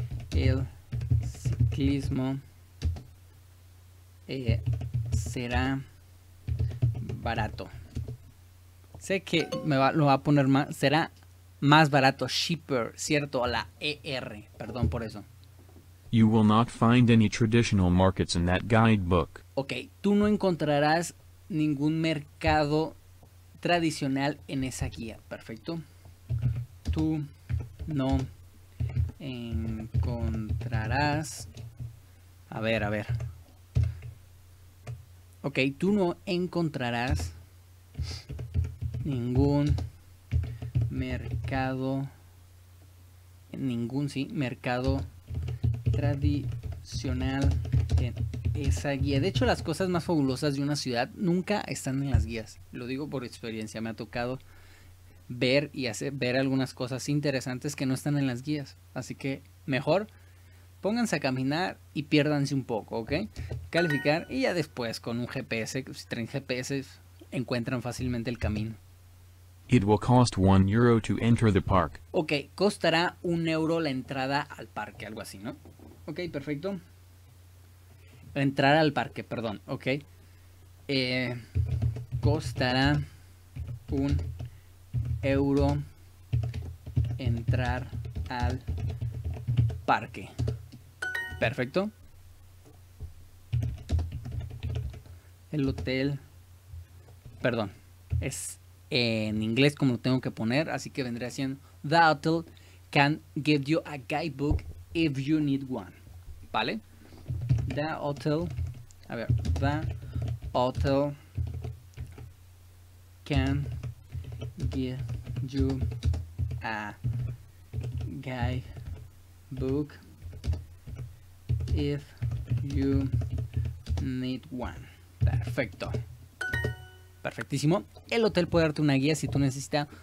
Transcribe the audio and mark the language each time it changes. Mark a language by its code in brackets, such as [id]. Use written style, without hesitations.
[es] El ciclismo será barato. Sé que lo va a poner más, será más barato, cheaper, ¿cierto? La ER, perdón por eso. [en] You will not find any traditional markets in that guidebook. [es] Ok, tú no encontrarás ningún mercado tradicional en esa guía, perfecto. Tú no encontrarás. A ver. Ok, tú no encontrarás ningún mercado. Mercado tradicional en esa guía. De hecho, las cosas más fabulosas de una ciudad nunca están en las guías. Lo digo por experiencia. Me ha tocado ver y hacer ver algunas cosas interesantes que no están en las guías. Así que mejor pónganse a caminar y piérdanse un poco, ¿ok? Calificar y ya después con un GPS, si traen GPS, encuentran fácilmente el camino. [en] It will cost 1 euro to enter the park. [es] Ok, costará 1 euro la entrada al parque, algo así, ¿no? Ok, perfecto. Entrar al parque, perdón, ok. Costará 1 euro entrar al parque. Perfecto. El hotel. Perdón. Es en inglés como lo tengo que poner. Así que vendría siendo: [en] The hotel can give you a guidebook if you need one. [es] ¿Vale? [en] The hotel. [es] A ver. [en] The hotel can give you a guidebook if you need one. [es] Perfecto. Perfectísimo. El hotel puede darte una guía si tú necesitas.